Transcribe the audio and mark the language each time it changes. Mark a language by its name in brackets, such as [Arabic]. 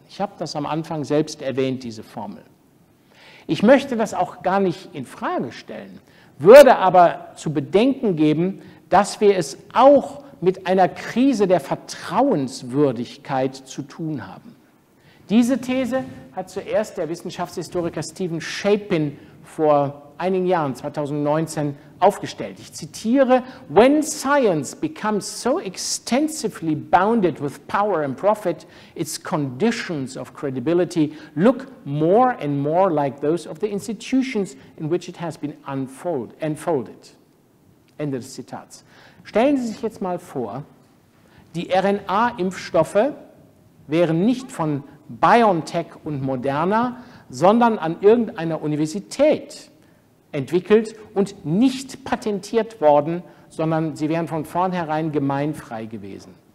[German] Ich habe das am Anfang selbst erwähnt, diese Formel. Ich möchte das auch gar nicht in Frage stellen, würde aber zu bedenken geben, dass wir es auch mit einer Krise der Vertrauenswürdigkeit zu tun haben. Diese These hat zuerst der Wissenschaftshistoriker Stephen Shapin vor einigen Jahren, 2019, aufgestellt. Ich zitiere: [English] When science becomes so extensively bounded with power and profit, its conditions of credibility look more and more like those of the institutions in which it has been unfolded. [German] Ende des Zitats. Stellen Sie sich jetzt mal vor, die RNA-Impfstoffe wären nicht von BioNTech und Moderna, sondern an irgendeiner Universität entwickelt und nicht patentiert worden, sondern sie wären von vornherein gemeinfrei gewesen.